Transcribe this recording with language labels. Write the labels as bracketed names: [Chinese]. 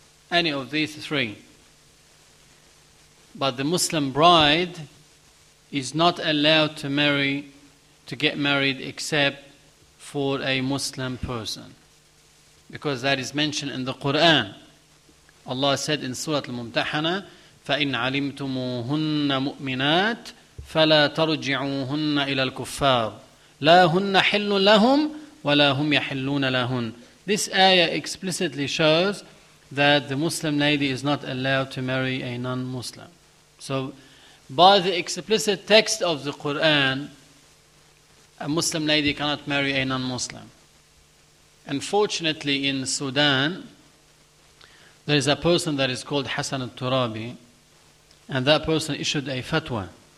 [English] Any of these three. But the Muslim bride is not allowed to get married except for a Muslim person. Because that is mentioned in the Quran. Allah said in Surah Al-Mumtahana, [Arabic] فَإِنْ عَلِمْتُمُوهُنَّ مُؤْمِنَاتٍ فَلَا تَرُجِعُوهُنَّ إِلَى الْكُفَّارِ لَا هُنَّ حِلُّ لَهُمْ وَلَا هُمْ يَحِلُّونَ لَهُنْ. [English] This ayah explicitly shows that the Muslim lady is not allowed to marry a non-Muslim. So by the explicit text of the Quran, a Muslim lady cannot marry a non-Muslim. Unfortunately, in Sudan, there is a person that is called Hassan al-Turabi, and that person issued a fatwa.